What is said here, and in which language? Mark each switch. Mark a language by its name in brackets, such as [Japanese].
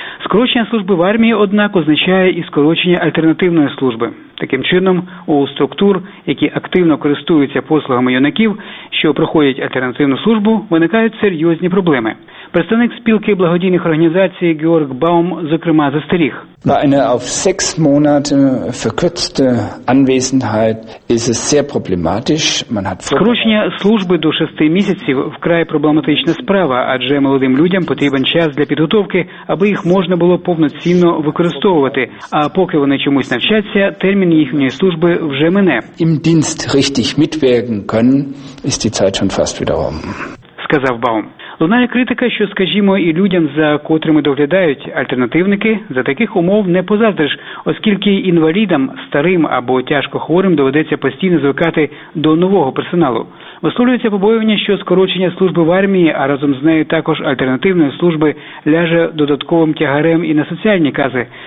[Ukrainian] Скорочення служби в армії, однак, означає і скорочення альтернативної служби. Таким чином, у структур, які активно користуються послугами юнаків, що проходять альтернативну службу, виникають серйозні проблеми. Представник спілки благодійних організацій Георг Баум, зокрема, застеріг. [German] Bei einer auf sechs Monate verkürzte Anwesenheit ist es sehr problematisch. Man hat [Ukrainian] скорочення служби до 6 місяців вкрай проблематична справа, адже молодим людям потрібен час для підготовки, аби їх можна було повноцінно використовувати, а поки вони чомусь навчаться, термін їхньої служби вже мине. [German] Im Dienst richtig mitwirken können, ist die Zeit schon fast wieder rum. [Ukrainian] Сказав Баум. Лунає критика, що, скажімо, і людям, за котрими доглядають альтернативники, за таких умов не позаздриш, оскільки інвалідам, старим або тяжко хворим доведеться постійно звикати до нового персоналу. Висловлюється побоювання, що скорочення служби в армії, а разом з нею також альтернативної служби, ляже додатковим тягарем і на соціальні кази.